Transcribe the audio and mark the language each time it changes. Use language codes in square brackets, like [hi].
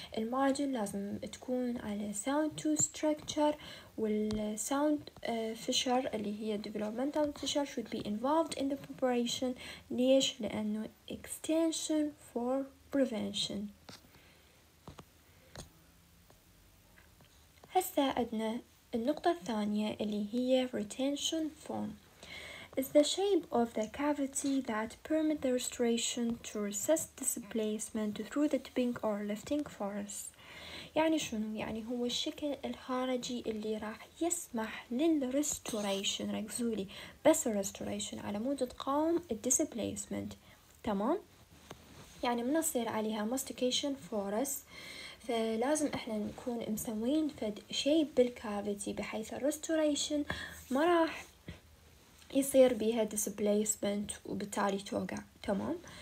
[ar] المارجن لازم تكون على ساوند تو ستراكشر، والساوند فيشر اللي هي [en] developmental fissure should be involved in the preparation. [ar] ليش؟ لأنه [en] extension for prevention. [ar] هسه عندنا النقطة الثانية اللي هي retention form. [en] Is the shape of the cavity that permit the restoration to resist displacement through the tipping or lifting force. [ar] يعني شنو؟ يعني هو الشكل الخارجي اللي راح يسمح للريستوريشن، ركزولي بس الريستوريشن، على مود تقاوم الديسبليسمنت. تمام. يعني من نصير عليها ماستيكيشن فورس، فلازم احنا نكون مسوين فد شيب بالكافيتي بحيث الريستوريشن ما راح يصير بيها ديسبليسمنت وبالتالي توقع. تمام.